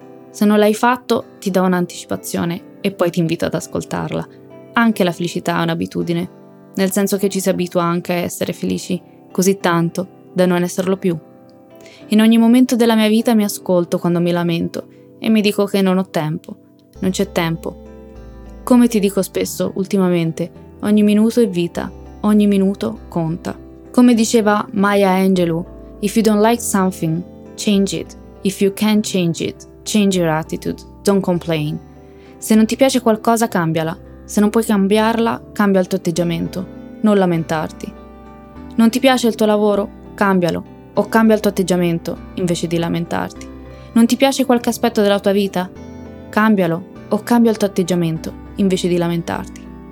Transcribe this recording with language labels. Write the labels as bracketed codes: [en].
[it] Se non l'hai fatto, ti do un'anticipazione e poi ti invito ad ascoltarla. Anche la felicità è un'abitudine, nel senso che ci si abitua anche a essere felici, così tanto da non esserlo più. In ogni momento della mia vita mi ascolto quando mi lamento e mi dico che non ho tempo, non c'è tempo. Come ti dico spesso ultimamente, ogni minuto è vita, ogni minuto conta. Come diceva [en] Maya Angelou, if you don't like something, change it. If you can change it, change your attitude, don't complain. [it] Se non ti piace qualcosa, cambiala. Se non puoi cambiarla, cambia il tuo atteggiamento, non lamentarti. Non ti piace il tuo lavoro? Cambialo. O cambia il tuo atteggiamento invece di lamentarti. Non ti piace qualche aspetto della tua vita? Cambialo. O cambia il tuo atteggiamento invece di lamentarti.